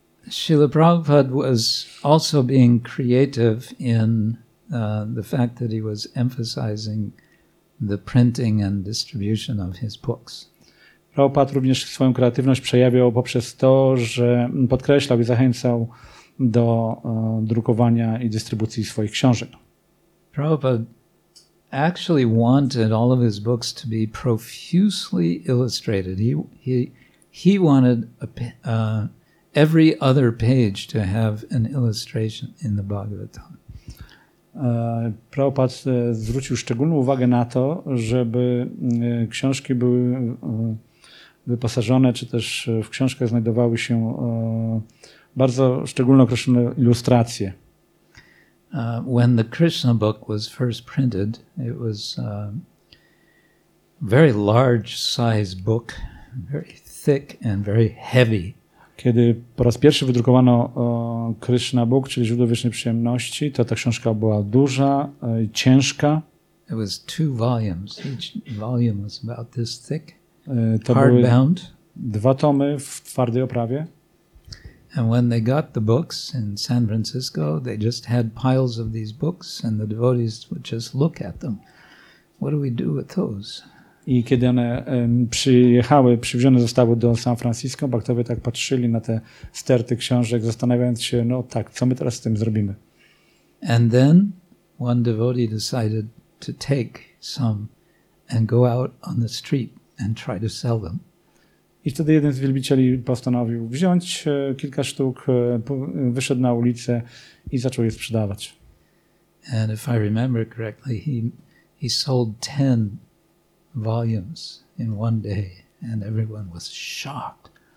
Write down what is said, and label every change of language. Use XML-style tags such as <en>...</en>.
<en>Srila Prabhupada was also being creative in the fact that he was emphasizing the printing and distribution of his books.</en> <pl>Prabhupada również swoją kreatywność przejawiał poprzez to, że podkreślał i zachęcał do drukowania i dystrybucji swoich książek.</pl> <en>Prabhupada actually wanted all of his books to be profusely illustrated. He wanted every other page to have an illustration in the Bhagavatam.</en> <pl>Prabhupada zwrócił szczególną uwagę na to, żeby książki były wyposażone, czy też w książkach znajdowały się bardzo szczególnie określone ilustracje.</pl> <en>When the Krishna book was first printed, it was a very large size book, very thick and very heavy.</en> <pl>Kiedy po raz pierwszy wydrukowano Krishna book, czyli źródło wiecznej przyjemności, to ta książka była duża i ciężka.</pl> <en>It was two volumes. Each volume was about this thick. Hardbound.</en> <pl>Dwa tomy w twardej oprawie.</pl> <en>And when they got the books in San Francisco, they just had piles of these books and the devotees would just look at them. What do we do with those?</en> <pl>I kiedy one przywiezione zostały do San Francisco, bhaktowie tak patrzyli na te sterty książek, zastanawiając się, no tak, co my teraz z tym zrobimy?</pl> <en>And then one devotee decided to take some and go out on the street and try to sell them.</en> <pl>I wtedy jeden z wielbicieli postanowił wziąć kilka sztuk, wyszedł na ulicę i zaczął je sprzedawać.</pl> <en>And if I remember correctly, he sold 10 volumes in one day and everyone was shocked.</en>